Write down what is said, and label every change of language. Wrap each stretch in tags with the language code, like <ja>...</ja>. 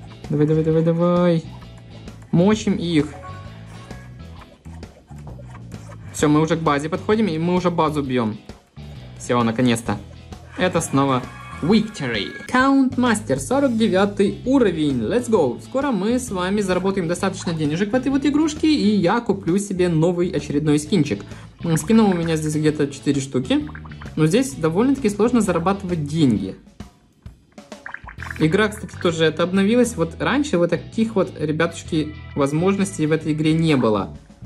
<ru>Давай. Мочим их. Все, мы уже к базе подходим, и мы уже базу бьем. Все, наконец-то. Это снова Victory. Count Master, 49 уровень.</ru> <en>Let's go.</en> <ru>Скоро мы с вами заработаем достаточно денежек в этой вот игрушке, и я куплю себе новый очередной скинчик. Скинов у меня здесь где-то 4 штуки. Но здесь довольно-таки сложно зарабатывать деньги. Игра, кстати, тоже это обновилась. Вот раньше вот таких вот, ребятушки, возможностей в этой игре не было.</ru>